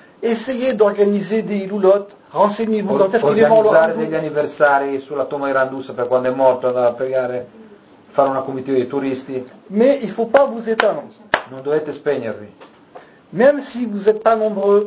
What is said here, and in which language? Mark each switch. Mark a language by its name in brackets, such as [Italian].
[French] Essayez d'organiser des ilulot, renseignez-vous quand est-ce qu'ils vont [Italian] organizzare degli anniversari sulla tomba di Randusa per quando è morto, andare a pregare, fare una comitiva di turisti. [French] Mais il faut pas vous éteindre. [Italian] Non dovete spegnervi. [French] Même si vous êtes pas nombreux,